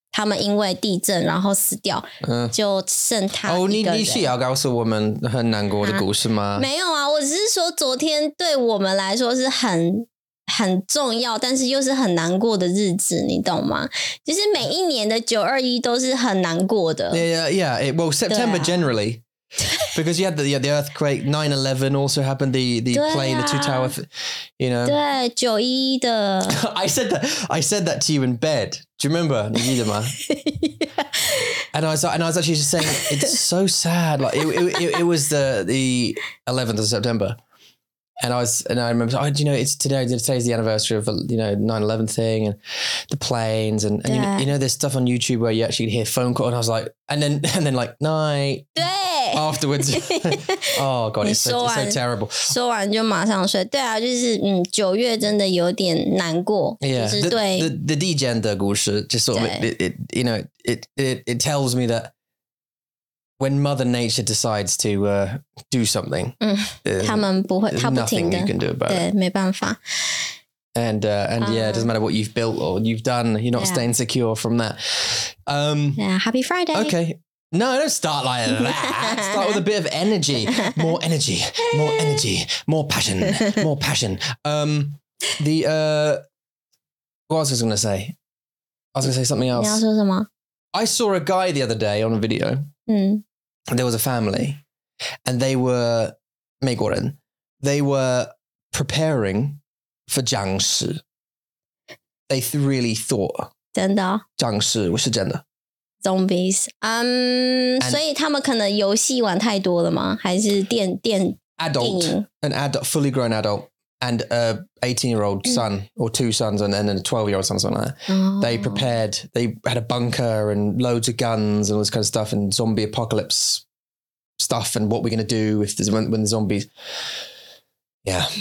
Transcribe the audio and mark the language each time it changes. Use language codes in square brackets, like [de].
[zh] 他们因为地震然后死掉，就剩他一个人。哦，你是要告诉我们很难过的故事吗？没有啊，我只是说昨天对我们来说是很重要，但是又是很难过的日子，你懂吗？就是每一年的921都是很难过的。 [en] Well, September generally, because you had the earthquake, 9/11 also happened, the plane, the two towers, you know. [zh] 对911的。 [en] I said that to you in bed. Do you remember? Yeah. And I was actually just saying, it's so sad. Like it was the 11th of September. And I remember, oh, you know, it's today's the anniversary of, you know, 9/11 thing and the planes. And you know, there's stuff on YouTube where you actually can hear phone calls. And I was like, and then like, night. afterwards oh god it's so terrible [zh] 说完就马上睡对啊就是九月真的有点难过 [en] the [zh] 地震的故事 [en] just sort of it tells me that when mother nature decides to do something [zh] 他们不会他不停的 [en] nothing you can do about [zh] 对没办法 [en] it doesn't matter what you've built or you've done you're not staying secure from that happy Friday okay No, don't start like that. Start with a bit of energy. More energy. More energy. More passion. More passion. What else was I going to say? I was going to say something else. [zh] 你要说什么? [en] I saw a guy the other day on a video. And there was a family. And they were... [zh] 美国人. [en] They were preparing for 僵尸. They really thought... [zh] 真的? 僵尸, 我是真的. [en] Zombies. [zh] 所以他们可能游戏玩太多了吗?还是电影? [en] Adult. An adult, fully grown adult. And an 18-year-old son, or two sons, and then a 12-year-old son, something like that. Oh. They prepared, they had a bunker and loads of guns and all this kind of stuff, and zombie apocalypse stuff, and what we're going to do if there's, when the zombies... Yeah.